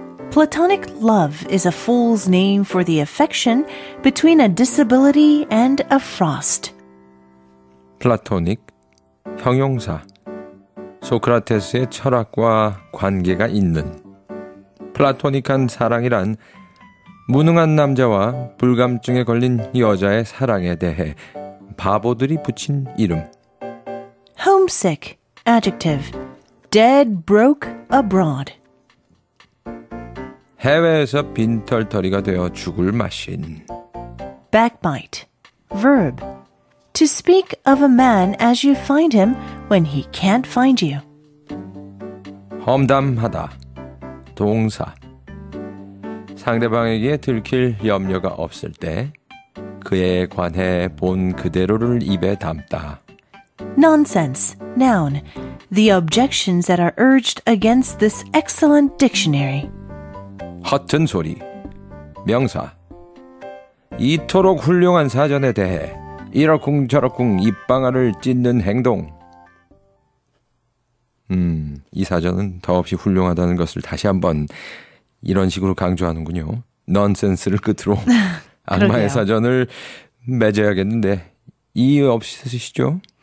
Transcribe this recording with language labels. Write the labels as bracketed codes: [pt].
[en] Platonic love is a fool's name for the affection between a disability and a frost. [ko] 플라토닉, 형용사, 소크라테스의 철학과 관계가 있는 플라토닉한 사랑이란 무능한 남자와 불감증에 걸린 여자의 사랑에 대해 바보들이 붙인 이름. [en] Homesick, adjective. Dead broke abroad. [ko] 해외에서 빈털터리가 되어 죽을 맛인. [en] Backbite, verb. To speak of a man as you find him when he can't find you. [ko] 험담하다, 동사. 상대방에게 들킬 염려가 없을 때 그에 관해 본 그대로를 입에 담다. [en] Nonsense, noun. The objections that are urged against this excellent dictionary. [ko] 허튼 소리, 명사. 이토록 훌륭한 사전에 대해 이러쿵저러쿵 입방아를 찢는 행동. 이 사전은 더없이 훌륭하다는 것을 다시 한번 이런 식으로 강조하는군요. 넌센스를 끝으로 악마의 사전을 맺어야겠는데 이 없으시죠?